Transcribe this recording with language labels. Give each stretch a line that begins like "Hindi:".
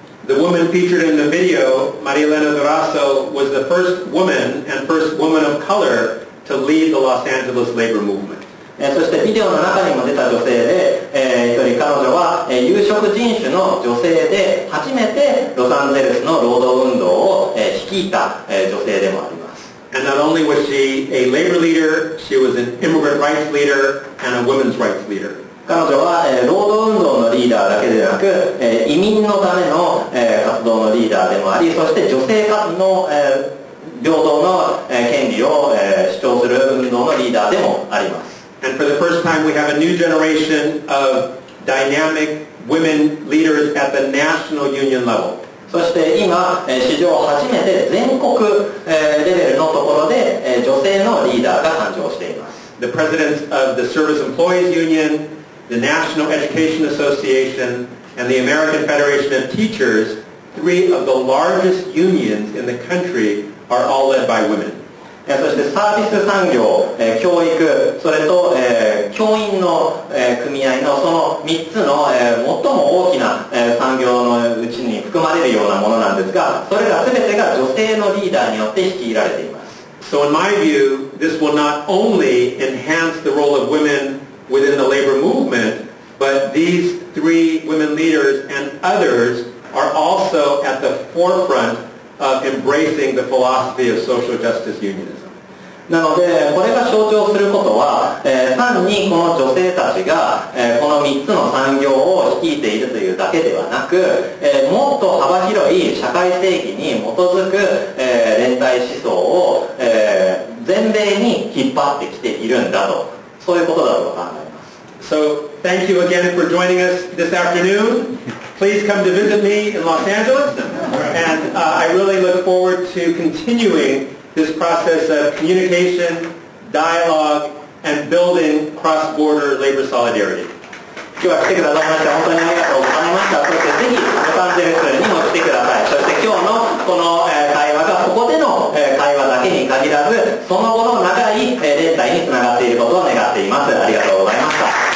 English: The woman featured in the video, Marielena Durazo, was the first woman and first woman of color to lead the Los Angeles labor movement.
Japanese: そしてビデオの中にも出た女性で、一人彼女は、有色人種の女性で初めてロサンゼルスの労働運動を、率いた、女性でもあります。
English: And not only was she a labor leader, she was an immigrant rights leader and a women's rights leader.
Japanese: 彼女は、労働運動のリーダーだけでなく、移民のための、活動のリーダーでもあり、そして女性の、平等の、権利を、主張する運動のリーダーでもあります。
English: And for the first time, we have a new generation of dynamic women leaders at the national union level.
Japanese: そして今、史上初めて全国、レベルのところで、女性のリーダーが誕生しています。
English: The presidents of the Service Employees Union, the National Education Association, and the American Federation of Teachers, three of the largest unions in the country, are all led by women.
Japanese: そしてサービス産業、教育、それと、教員の、組合のその3つの、最も大きな、産業のうちに含まれるようなものなんですが、それら全てが女性のリーダーによって率いられています。
English: So in my view, this will not only enhance the role of women within the labor movement, but these three women leaders and others are also at the forefrontof embracing the philosophy of social justice unionism.
Japanese: なのでこれが象徴することは、単にこの女性たちが、この3つの産業を率いているというだけではなく、もっと幅広い社会正義に基づく、連帯思想を、全米に引っ張ってきているんだと、そういうことだと考えます。
English: So thank you again for joining us this afternoon. please come to visit me in Los Angeles. And I really look forward to continuing this process of communication, dialogue, and building cross-border labor solidarity.
Japanese: 今日は来てくださいました。本当にありがとうございました。そしてぜひ、ロサンゼルスにも来てください。そして今日のこの会話がここでの会話だけに限らず、その後の長い連帯につながっていることを願っています。ありがとうございました。